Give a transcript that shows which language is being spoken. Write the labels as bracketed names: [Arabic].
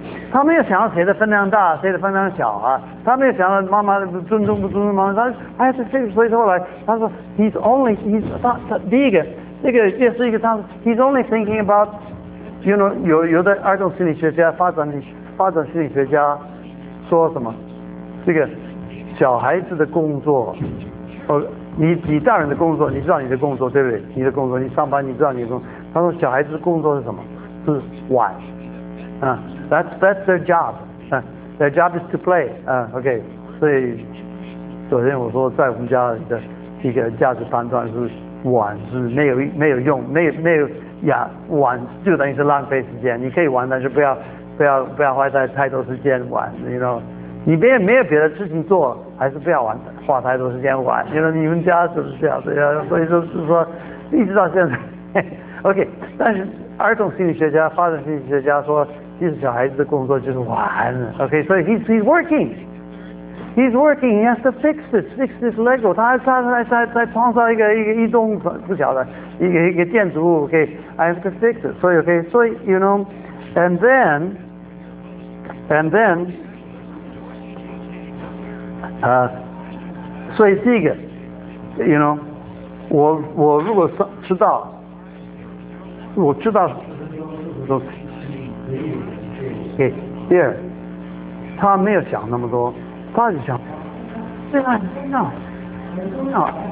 [Chinese] 他没有想到谁的分量大，谁的分量小啊，他没有想到妈妈尊重不尊重妈妈，他说 [English] I have to fix it。 [Chinese] 所以后来他说 [English] He's only thinking about， you know， [Chinese] 有的儿童心理学家发展心理学家说什么？这个小孩子的工作，你大人的工作，你知道你的工作对不对？你的工作，你上班，你知道你的工作。他说小孩子的工作是什么？是玩， [English] that's their job， their job is to play， OK。 [Chinese] 所以首先我说，在我们家的一个价值判断是玩是没有用，没有呀，玩就等于是浪费时间。你可以玩，但是不要。不要花太多时间玩，你知道，你别没有别的事情做，还是不要玩，花太多时间玩，你说你们家是不是这样？对呀，所以就是说，一直到现在，OK。但是儿童心理学家、发展心理学家说，其实小孩子的工作就是玩 ，OK。所以 [English] he's working， he has to fix this Lego， [Chinese] 他创造一栋不晓得一个建筑物 [English] ，OK。 I have to fix it， [Chinese] 所以 [English] OK， 所以 you know。 And then, [Chinese] 所以第一个 ， [English] you know， [Chinese] 我如果知道，我知道，说 ，OK， 第二，他没有想那么多，他就想，这个很重要。